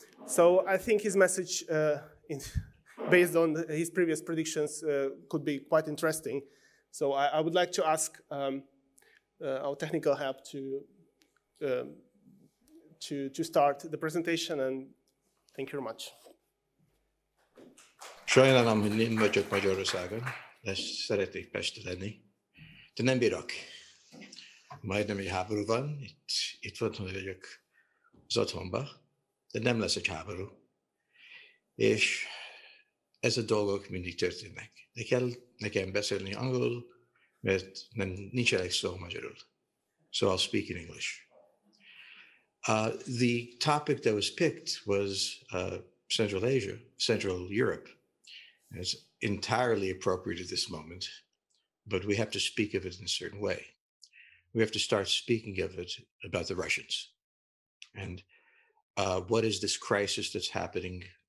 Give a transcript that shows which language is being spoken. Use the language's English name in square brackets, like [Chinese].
[English] So I think his message, based on his previous predictions, could be quite interesting. So I would like to ask our technical help to start the presentation. And thank you very much. [Hungarian] Sajnálom, hogy nem vagyok Magyarországon, de szeretnék Pestre lenni. De nem bírok. Majdnem egy háború van, itt otthon vagyok az otthonban, de nem lesz egy háború. És ez a dolgok mindig történnek. De kell nekem beszélni angolul, mert nincs elég szó magyarul. [English] So I'll speak in English. The topic that was picked was Central Asia, Central Europe. It's entirely appropriate at this moment, but we have to speak of it in a certain way. We have to start speaking of it about the Russians. And what is this crisis that's happening?